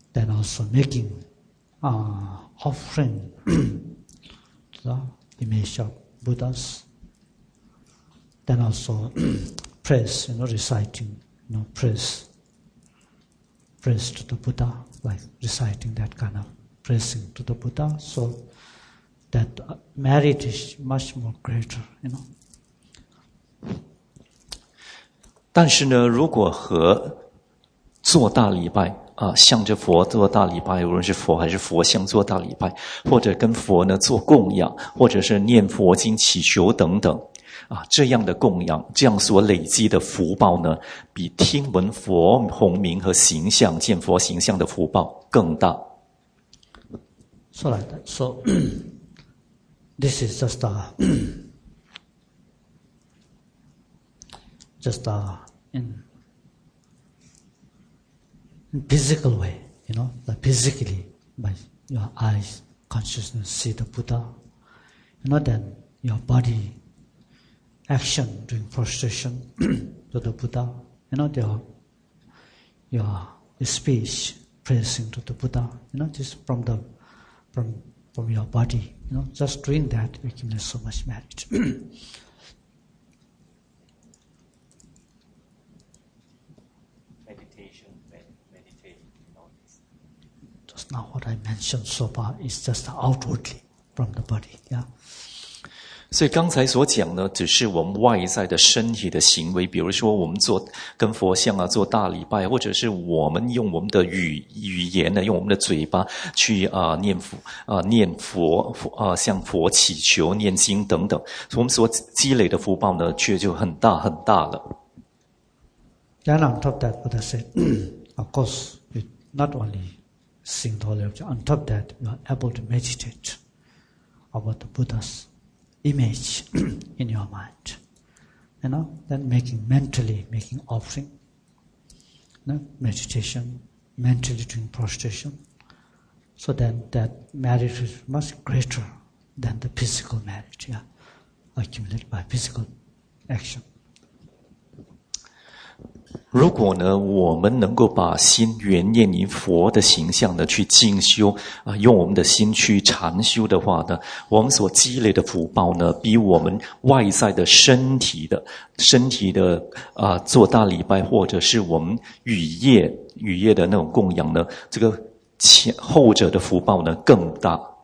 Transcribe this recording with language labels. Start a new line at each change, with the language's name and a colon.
English: also making offering to the image of Buddha's, then also praise, you know, reciting, you know, praise to the Buddha, like reciting that kind of praising to the Buddha, so that merit is much more greater, you know.
Chinese: 但是呢，如果和做大礼拜啊，向着佛做大礼拜，无论是佛还是佛像做大礼拜，或者跟佛呢做供养，或者是念佛经祈求等等啊，这样的供养，这样所累积的福报呢，比听闻佛洪名和形象、见佛形象的福报更大。
English: So like that. So this is just a just a in physical way, you know, like physically by your eyes, consciousness, see the Buddha. You know, then your body. Action during prostration to the Buddha, you know, your speech praising to the Buddha, you know, just from your body, you know, just doing that, we can get so much merit. 、 Just now what I mentioned so far is just outwardly from the body, yeah.
Chinese: 所以刚才所讲的只是我们外在的身体的行为，比如说我们做跟佛像啊做大礼拜，或者是我们用我们的语言呢，用我们的嘴巴去念佛向佛祈求念经等等，我们所积累的福报呢却就很大很大了。
English: Then on top that, what I said, of course, you not only sing the holy object, on top that, you are able to meditate about the Buddha'simage in your mind, you know, then mentally making offering, you know, meditation, mentally doing prostration, so then that merit is much greater than the physical merit, yeah, accumulated by physical action.
Chinese: 如果呢，我们能够把心原念于佛的形象呢，去进修啊，用我们的心去禅修的话呢，我们所积累的福报呢，比我们外在的身体的啊，做大礼拜或者是我们语业的那种供养呢，这个后者的福报呢更大。